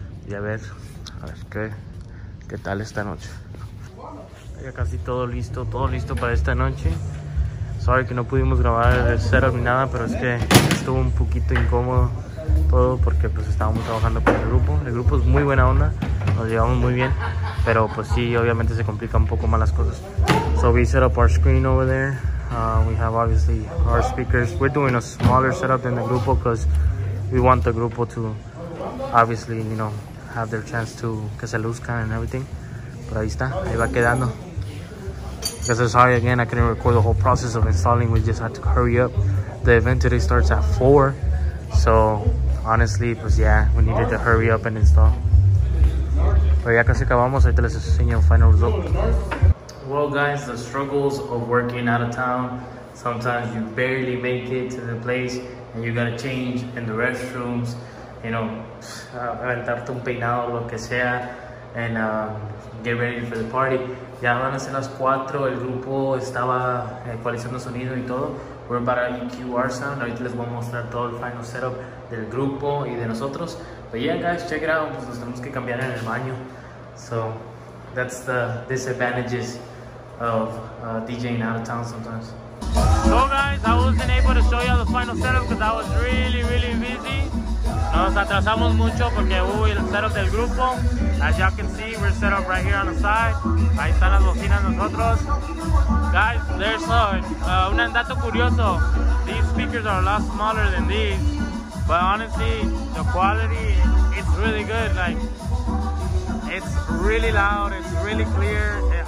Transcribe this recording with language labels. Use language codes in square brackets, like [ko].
[es] Y a ver qué tal esta noche. Ya casi todo listo para esta noche. [en] Sorry [es] que no pudimos grabar el setup ni nada, pero es que estuvo un poquito incómodo todo porque pues estábamos trabajando con el grupo. El grupo es muy buena onda. Nos llevamos muy bien, pero pues sí, obviamente se complican un poco más las cosas. [en] So we set up our screen over there. We have obviously our speakers. We're doing a smaller setup than the grupo because we want the grupo to obviously, you know, have their chance to [es] que se luzcan [en] and everything. [es] Pero ahí está, ahí va quedando. [en] Because I'm sorry again, I couldn't record the whole process of installing. We just had to hurry up. The event today starts at 4. So honestly, [es] pues [en] yeah, we needed to hurry up and install. [es] Pero ya casi acabamos, ahorita les enseño el [en] final result. Well, guys, the struggles of working out of town. Sometimes you barely make it to the place and you gotta change in the restrooms, you know, [es] aventarte un peinado, lo que sea, [en] and get ready for the party. [es] Ya van a ser las 4, el grupo estaba ecualizando sonido y todo. [en] We're about to EQ our sound. [es] Ahorita les voy a mostrar todo el final setup del grupo y de nosotros. [en] But yeah, guys, check it out. [es] Pues nos tenemos que cambiar en el baño. [en] So that's the disadvantages of DJing out of town sometimes. So, guys, I wasn't able to show you the final setup because I was really, really busy. [es] Nos atrasamos mucho porque hubo el setup del grupo. [en] As y'all can see, we're set up right here on the side. [es] Ahí están las bocinas nosotros. [en] Guys, there's [es] un dato curioso. [en] These speakers are a lot smaller than these. But honestly, the quality, it's really good. Like, it's really loud, it's really clear.